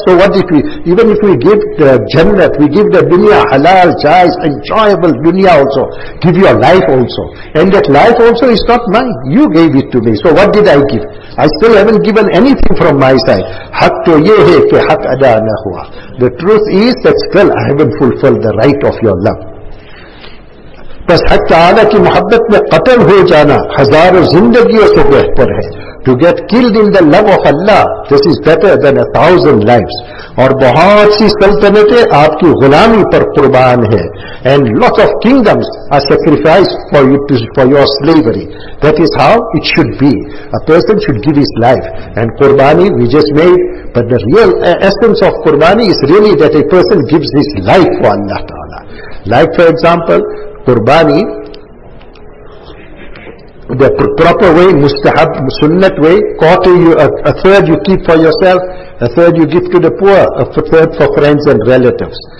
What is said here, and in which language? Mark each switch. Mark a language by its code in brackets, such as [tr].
[en] So what did we, even if we give the jannat, we give the dunya, halal, chais, enjoyable dunya also. Give your life also. And that life also is not mine. You gave it to me. So what did I give? I still haven't given anything from my side. [ur] Haq to ye hai ke haq ada na hua. [en] The truth is that still I haven't fulfilled the right of your love. [ur] بس حق تعالیٰ کی محبت میں قتل ہو جانا ہزاروں زندگیوں سے بہتر ہے. [en] To get killed in the love of Allah, this is better than a thousand lives. [ur] اور بہت سی سلطنتیں آپ کی غلامی پر قربان ہیں. [en] And lots of kingdoms are sacrificed for you for your slavery. That is how it should be. A person should give his life. And qurbani we just made, but the real essence of qurbani is really that a person gives his life for Allah تعالیٰ. Like for example, qurbani, the proper way, mustahab, sunnat way, quarter you, a third you keep for yourself, a third you give to the poor, a third for friends and relatives.